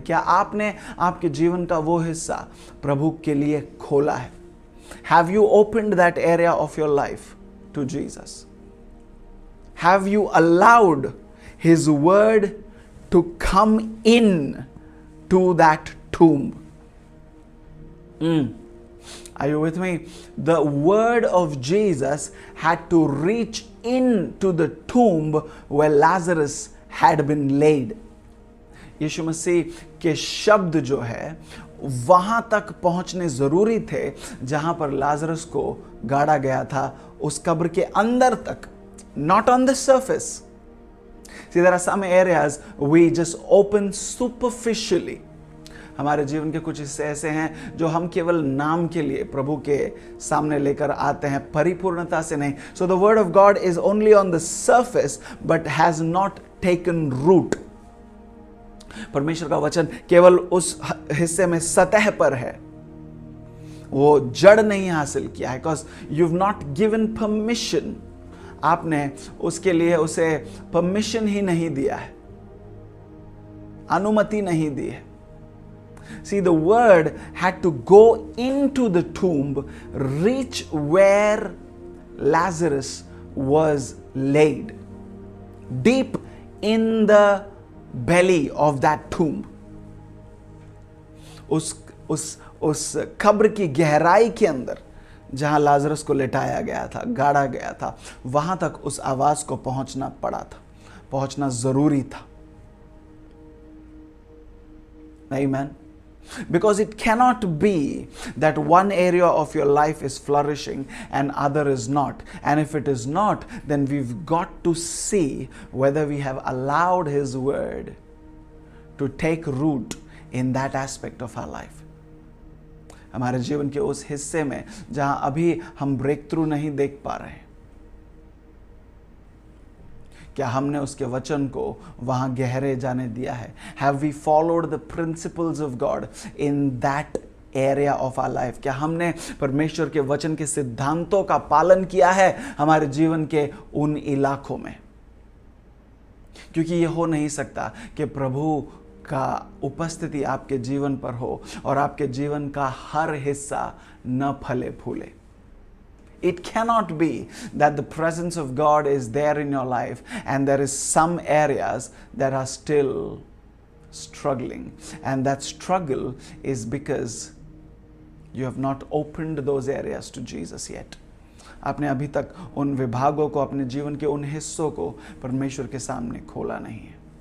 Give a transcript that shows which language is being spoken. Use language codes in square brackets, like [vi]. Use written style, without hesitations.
[hi] क्या आपने आपके जीवन का वो हिस्सा प्रभु के लिए खोला है? [en] Have you opened that area of your life to Jesus? Have you allowed his word to come into that tomb? Are you with me? The word of Jesus had to reach into the tomb where Lazarus had been laid. [hi] यीशु मसीह के शब्द जो है वहां तक पहुंचने जरूरी थे जहां पर लाजरस को गाड़ा गया था, उस कब्र के अंदर तक, [en] not on the surface. See, there are some areas we just open superficially. [hi] हमारे जीवन के कुछ हिस्से ऐसे हैं जो हम केवल नाम के लिए प्रभु के सामने लेकर आते हैं, परिपूर्णता से नहीं. [en] So the word of God is only on the surface but has not taken root. [hi] परमेश्वर का वचन केवल उस हिस्से में सतह पर है, वो जड़ नहीं हासिल किया है. [en] because you have not given permission, [hi] आपने उसके लिए उसे परमिशन ही नहीं दिया है, अनुमति नहीं दी है. [en] See, the word had to go into the tomb, reach where Lazarus was laid, deep in the belly of that tomb. [hi] उस कब्र की गहराई के अंदर जहां लाजरस को लेटाया गया था, गाड़ा गया था, वहां तक उस आवाज को पहुंचना पड़ा था, पहुंचना जरूरी था. [en] Amen. Because it cannot be that one area of your life is flourishing and other is not. And if it is not, then we've got to see whether we have allowed His word to take root in that aspect of our life. [hi] हमारे जीवन के उस हिस्से में जहां अभी हम breakthrough नहीं देख पा रहे, क्या हमने उसके वचन को वहां गहरे जाने दिया है? [en] Have we followed the principles of God in that area of our life? [hi] क्या हमने परमेश्वर के वचन के सिद्धांतों का पालन किया है हमारे जीवन के उन इलाकों में? क्योंकि यह हो नहीं सकता कि प्रभु का उपस्थिति आपके जीवन पर हो और आपके जीवन का हर हिस्सा न फले फूले. [en] It cannot be that the presence of God is there in your life and there is some areas that are still struggling. And that struggle is because you have not opened those areas to Jesus yet. [hi] आपने अभी तक उन विभागों को, अपने जीवन के उन हिस्सों को परमेश्वर के सामने खोला नहीं है.